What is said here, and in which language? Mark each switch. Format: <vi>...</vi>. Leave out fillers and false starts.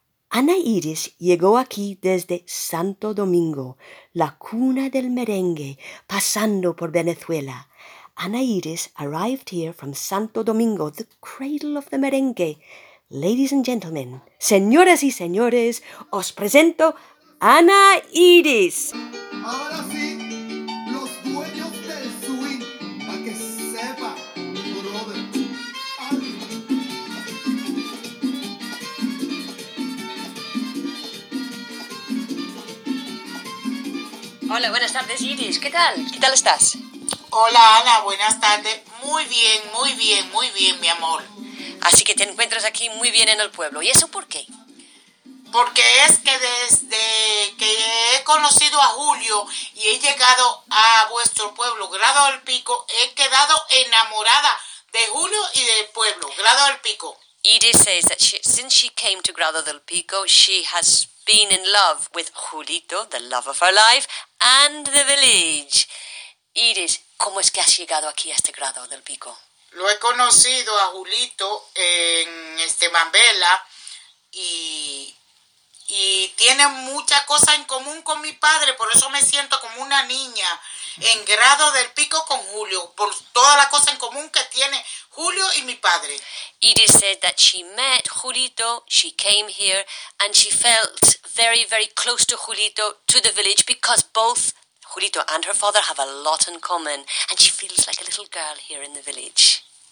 <es>Ana Iris llegó aquí desde Santo Domingo, la cuna del merengue, pasando por Venezuela.</es> <en>Ana Iris arrived here from Santo Domingo, the cradle of the merengue. Ladies and gentlemen,</en> <es>señoras y señores, os presento Ana Iris. Ahora sí, los dueños del swing, a que sepa, brother. Hola, buenas tardes, Iris. ¿Qué tal? ¿Qué tal estás? Hola, Ana. Buenas tardes. Muy bien, muy bien, muy bien, mi amor. Así que te encuentras aquí muy bien en el pueblo. ¿Y eso por qué? Porque es que desde que he conocido a Julio y he llegado a vuestro pueblo, Grado del Pico, he quedado enamorada de Julio y del pueblo, Grado del Pico.</es> <en>Iris says that since she came to Grado del Pico, she has been in love with Julito, the love of her life, and the village.</en> <es>Iris, ¿cómo es que has llegado aquí a este Grado del Pico? Lo he conocido a Julito en Mambela y tiene muchas cosas en común con mi padre, por eso me siento como una niña en Grado del Pico con Julio, por todas las cosas en común que tiene Julio y mi padre.</es> <en>Iris said that she met Julito, she came here, and she felt very, very close to Julito, to the village, because both Julito and her father have a lot in common, and she feels like a little girl here in the village.</en>